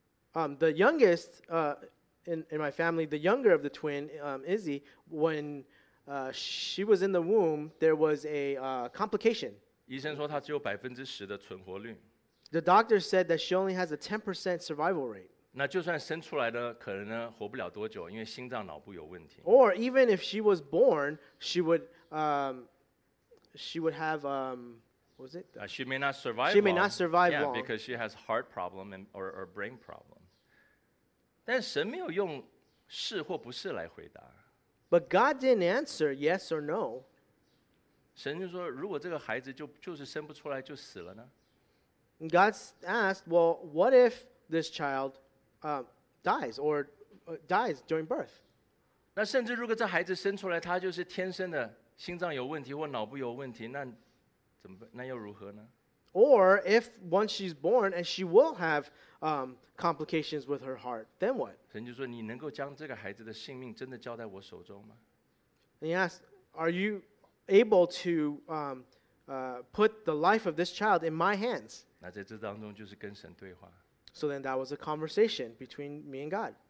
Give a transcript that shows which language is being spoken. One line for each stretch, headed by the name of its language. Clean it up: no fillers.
English: The youngest in my family, the younger of the twin, Izzy, when she was in the womb, there was a complication.
Chinese: 医生说他只有10%的存活率。
English: The doctor said that she only has a 10% survival rate.
Chinese: 那就算生出来的可能呢活不了多久，因为心脏脑部有问题。
English: Or even if she was born, she would she would have, what was it? She may not survive she long. She may not survive yeah, long. Yeah, because she has heart problem and, or brain problem.
Chinese: 但神没有用是或不是来回答。
English: But God didn't answer yes or no.
Chinese: 神就说如果这个孩子 就是生不出来就死了呢？
English: God asked, well, what if this child dies or dies during birth?
Chinese: 那甚至如果这孩子生出来他就是天生的心脏有问题或脑部有问题 那又如何呢？
English: Or if once she's born and she will have complications with her heart, then what?
Chinese: 神就说你能够将这个孩子的性命真的交在我手中吗？
English: And he asked, are you able to put the life of this child in my hands?
Chinese: 那在这当中就是跟神对话。
English: So then that was a conversation between me and God.